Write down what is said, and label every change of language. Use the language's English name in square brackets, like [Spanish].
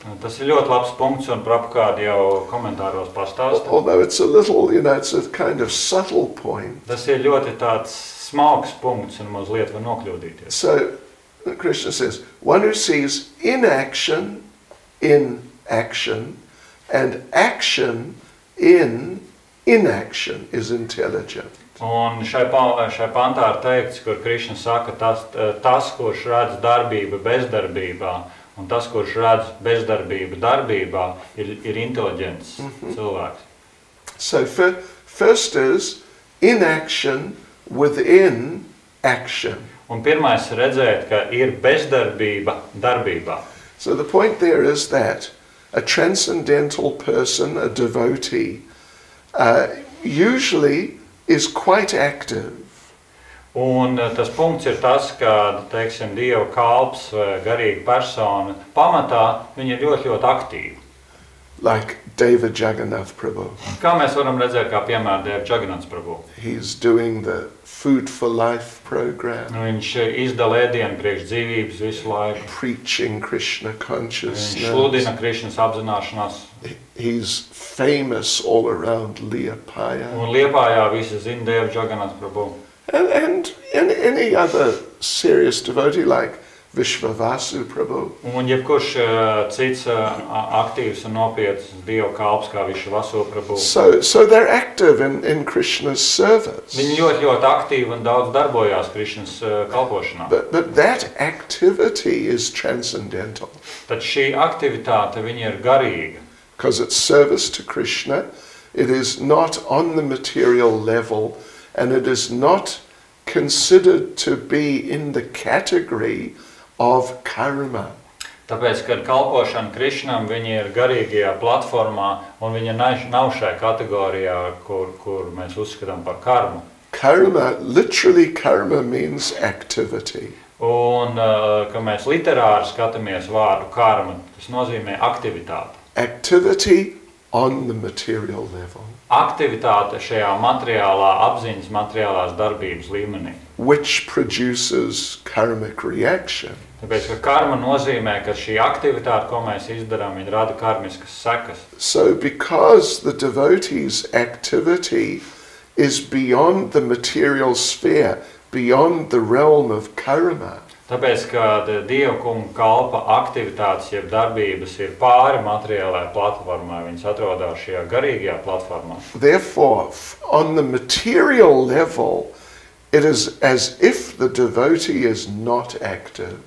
[Latvian] Tas ir ļoti labs punkts un Prabhupāda jau komentāros pastāsta. [English] Although it's a little, you know, it's a kind of subtle point. [Latvian] Tas ir ļoti tāds smalks punkts un mazliet var nokļūdīties. [English] So, Krishna says, one who sees inaction in action and action in inaction is intelligent. [Latvian] Un šai pantā ir teikts, kur Krishna saka, tas, kurš redz darbību bezdarbībā, un tas, kurš redz bezdarbību darbībā, ir inteliģents cilvēks. [English] So first is inaction within action. [Latvian] Un pirmais redzēt, ka ir bezdarbība darbībā. [English] So the point there is that a transcendental person, a devotee, usually is quite active. [Latvian] Un tas punkts ir tas, ka, teiksim, Dieva kalps vai garīga persona, pamatā viņa ir ļoti, ļoti aktīva. [English] Like David Jagannath Prabhu. [Latvian] Kā mēs varam redzēt, kā piemēram Dieva Jagannath Prabhu. [English] He's doing the food for life program. [Latvian] Viņš izdala ēdienu priekš dzīvības visu laiku. [English] Preaching Krishna consciousness. [Latvian] Viņš sludina Krišnas apzināšanās. [English] He's famous all around Liepāja. [Latvian] Un Liepājā visi zina Dieva Jagannath Prabhu. [English] And in any other serious devotee like Vishvavasu Prabhu. [Latvian] Un jebkurš cits aktīvs un nopietns Dieva kalps kā Vishvavasu Prabhu. [English] So they're active in Krishna's service. [Latvian] Viņi ļoti, ļoti aktīvi un daudz darbojās Krišnas kalpošanā. [English] But that activity is transcendental. [Latvian] Tad šī aktivitāte, viņa ir garīga. [English] Because it's service to Krishna, it is not on the material level. And it is not considered to be in the category of karma. [Latvian] Tāpēc, kad kalpošana Krišnam, viņa ir garīgajā platformā, un viņa nav šai kategorijā, kur mēs uzskatām par karmu. [English] Karma, literally karma means activity. [Latvian] Un, kad mēs literāri skatāmies vārdu karma, tas nozīmē aktivitāte. [English] Activity on the material level. [Latvian] Aktivitāte šajā materiālā apziņas, materiālās darbības līmenī. [English] Which produces karmic reaction. [Latvian] Tāpēc, ka karma nozīmē, ka šī aktivitāte, ko mēs izdarām, viņa rada karmiskas sekas. [English] So, because the devotee's activity is beyond the material sphere, beyond the realm of karma. [Latvian] Tāpēc, ka dievkuma kalpa aktivitātes jeb darbības ir pāri materiālajā platformā, viņas atrodas šajā garīgajā platformā. [English] Therefore, on the material level, it is as if the devotee is not active.